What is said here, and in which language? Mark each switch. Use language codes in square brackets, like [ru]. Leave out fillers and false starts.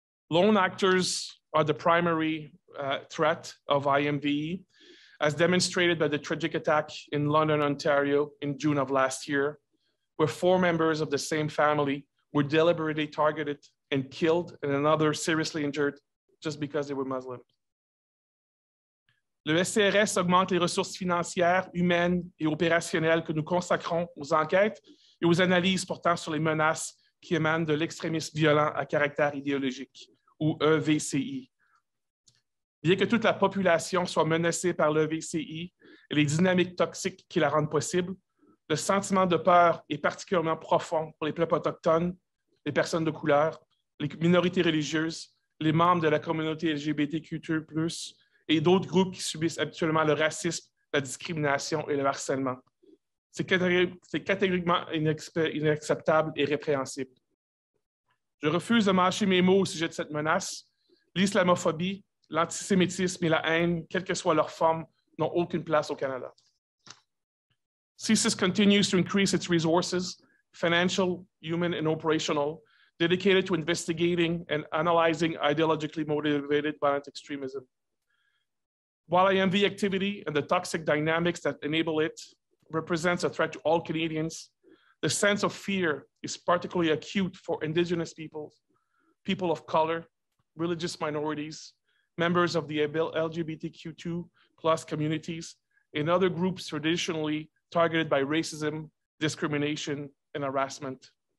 [en] Lone actors are the primary threat of IMVE, as demonstrated by the tragic attack in London, Ontario, in June of last year, where 4 members of the same family were deliberately targeted and killed, and another seriously injured just because they were Muslim. [fr] Le SCRS augmente les ressources financières, humaines et opérationnelles que nous consacrons aux enquêtes et aux analyses portant sur les menaces qui émanent de l'extrémisme violent à caractère idéologique, ou EVCI. Bien que toute la population soit menacée par l'EVCI et les dynamiques toxiques qui la rendent possible, le sentiment de peur est particulièrement profond pour les peuples autochtones, les personnes de couleur, les minorités religieuses, les membres de la communauté LGBTQ+, et d'autres groupes qui subissent habituellement le racisme, la discrimination et le harcèlement. C'est catégoriquement inacceptable et répréhensible. Je refuse de mâcher mes mots au sujet de cette menace. L'islamophobie, l'antisémitisme et la haine, quelle que soit leur forme, n'ont aucune place au Canada. [en] CSIS continues to increase its resources, financial, human, and operational, dedicated to investigating and analyzing ideologically motivated violent extremism. While IMV activity and the toxic dynamics that enable it represents a threat to all Canadians, the sense of fear is particularly acute for Indigenous peoples, people of color, religious minorities, members of the LGBTQ2+ communities, and other groups traditionally targeted by racism, discrimination, and harassment.